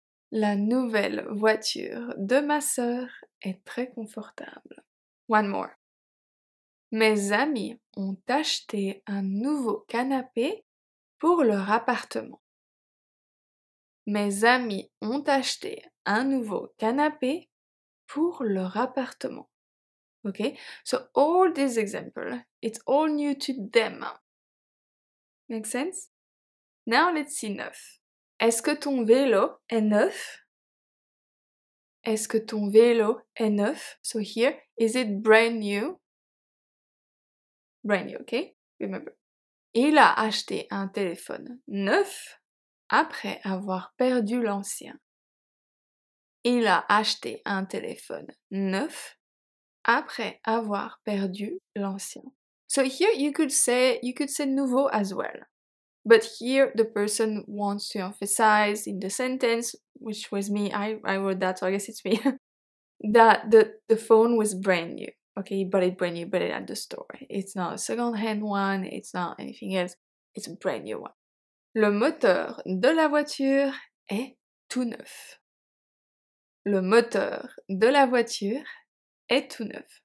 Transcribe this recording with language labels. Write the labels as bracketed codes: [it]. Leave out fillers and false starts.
[fr] La nouvelle voiture de ma sœur est très confortable. [en] One more. [fr] Mes amis ont acheté un nouveau canapé pour leur appartement. Mes amis ont acheté un nouveau canapé pour leur appartement. [en] Okay, so all these examples, it's all new to them. Make sense? Now let's see neuf. [fr] Est-ce que ton vélo est neuf? Est-ce que ton vélo est neuf? [en] So here, is it brand new? Brand new, okay? Remember. [fr] Il a acheté un téléphone neuf après avoir perdu l'ancien. Il a acheté un téléphone neuf. Après avoir perdu l'ancien. [en] So here you could say nouveau as well. But here the person wants to emphasize in the sentence, which was me, I wrote that, so I guess it's me, that the phone was brand new. Okay, he bought it brand new, but it at the store. It's not a second-hand one, it's not anything else, it's a brand new one. [fr] Le moteur de la voiture est tout neuf. Le moteur de la voiture est tout neuf.